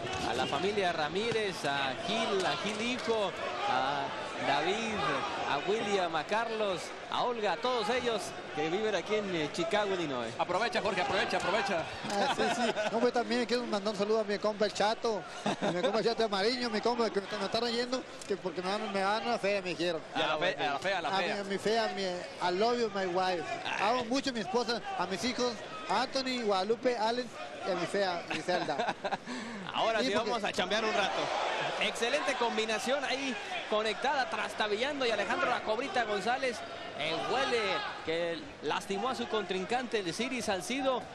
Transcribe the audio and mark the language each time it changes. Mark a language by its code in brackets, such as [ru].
[es] A la familia Ramírez, a Gil Hijo, a David, a William, a Carlos, a Olga, a todos ellos que viven aquí en Chicago, Illinois. Aprovecha, Jorge, aprovecha. Sí. No, pues también quiero mandar un saludo a mi compa el Chato, a mi compa el Chato Amarillo, mi compa que me está leyendo, que porque me dan la fea, me dijeron. A la fea. A mi fea, [en] I love you, my wife. [es] Amo mucho a mi esposa, a mis hijos, Anthony, Guadalupe, Alex y a mi fea, mi Zelda. Ahora sí, vamos a chambear un rato. Excelente combinación ahí, conectada, trastabillando, y Alejandro La Cobrita González huele que lastimó a su contrincante, el Siri Salcido.